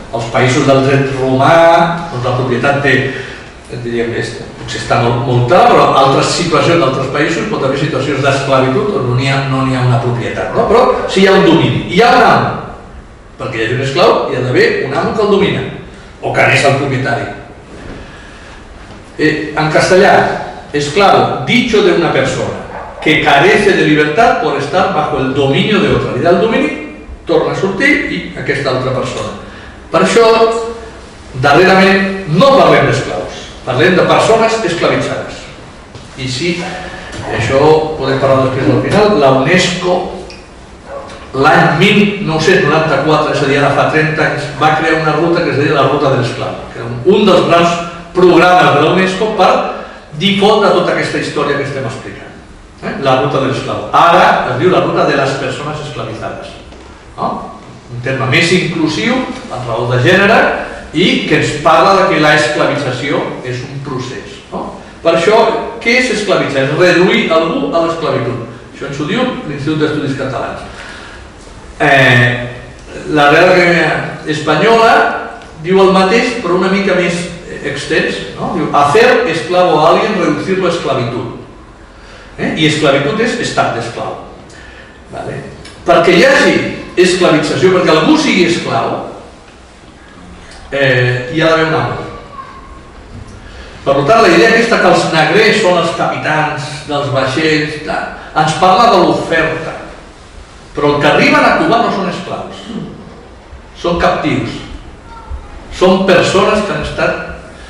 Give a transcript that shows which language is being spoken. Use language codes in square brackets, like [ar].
[ca] Els països del dret romà, doncs la propietat té, potser està multada, però altres situacions d'altres països, pot haver situacions d'esclavitud on no hi ha una propietat, no? Però sí hi ha un domini. Hi ha un amo, perquè hi ha un esclau, hi ha d'haver un amo que el domina, o que n'és el propietari. En castellà, esclau, [es] dicho de una persona que carece de libertad por estar bajo el dominio de otra. [ca] I del domini torna a sortir i aquesta altra persona. Per això, darrerament, no parlem d'esclaus, parlem de persones esclavitzades. I sí, això podem parlar després del final, la UNESCO l'any 1994, és a dir, ara fa 30 anys, va crear una ruta que es deia la ruta de l'esclau, que era un dels grans programes de la UNESCO per difondre tota aquesta història que estem explicant. La ruta de l'esclau. Ara es diu la ruta de les persones esclavitzades. Un terme més inclusiu a raó de gènere i que ens parla que la esclavització és un procés. Per això, què és esclavitzar? És reduir algú a l'esclavitud. Això ens ho diu l'Institut d'Estudis Catalans. La Real Academia Española diu el mateix però una mica més extens. [es] Diu hacer esclavo a alguien, reducir la esclavitud. [ca] I esclavitud és estar d'esclau. Perquè hi hagi esclavització, perquè algú sigui esclau, hi ha d'haver un amo. Per tant, la idea aquesta que els negrers són els capitans dels vaixells, ens parla de l'oferta, però el que arriben a Cuba no són esclaus, són captius, són persones que han estat